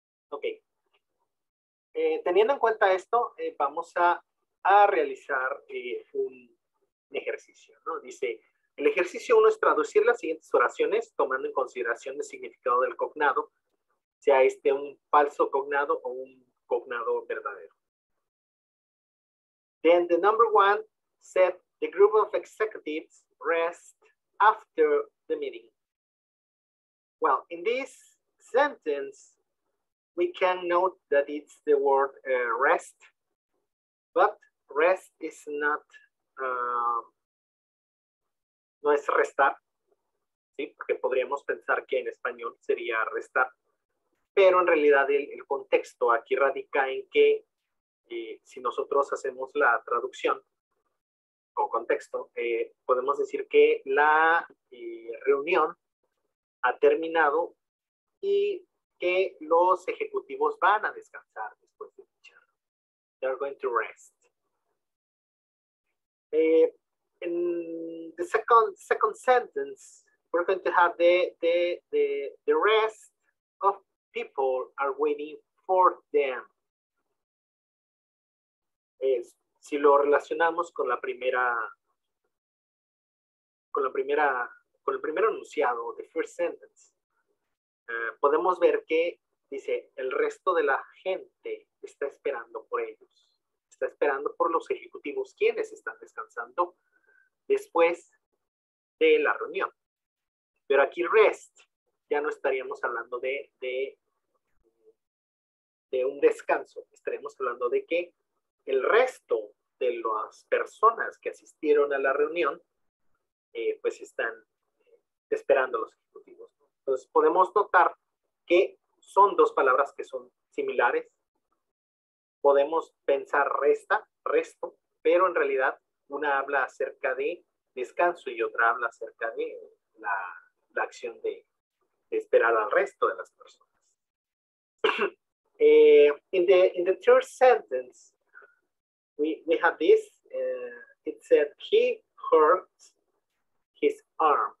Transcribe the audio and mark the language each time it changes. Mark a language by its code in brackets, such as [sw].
[es] Ok. Teniendo en cuenta esto, vamos a realizar un ejercicio, ¿no? Dice, el ejercicio 1 es traducir las siguientes oraciones tomando en consideración el significado del cognado, sea este un falso cognado o un cognado verdadero. [en] Then the number 1 said the group of executives rest after the meeting. Well, in this sentence, we can note that it's the word rest, but rest is not, [es] no es restar, ¿sí? Porque podríamos pensar que en español sería restar, pero en realidad el contexto aquí radica en que si nosotros hacemos la traducción con contexto, podemos decir que la reunión ha terminado y que los ejecutivos van a descansar después de dicha. [en] They're going to rest. In the second sentence, we're going to have the rest of people are waiting for them. [es] Si lo relacionamos con la primera, con el primer enunciado, [en] the first sentence, [es] podemos ver que dice el resto de la gente está esperando por ellos, está esperando por los ejecutivos, quienes están descansando después de la reunión. Pero aquí rest, ya no estaríamos hablando de un descanso, estaremos hablando de que el resto de las personas que asistieron a la reunión, pues están esperando los ejecutivos. Entonces podemos notar que son dos palabras que son similares. Podemos pensar resta, resto, pero en realidad una habla acerca de descanso y otra habla acerca de la acción de esperar al resto de las personas. [en] In the third sentence, we have this, it said he hurt his arm.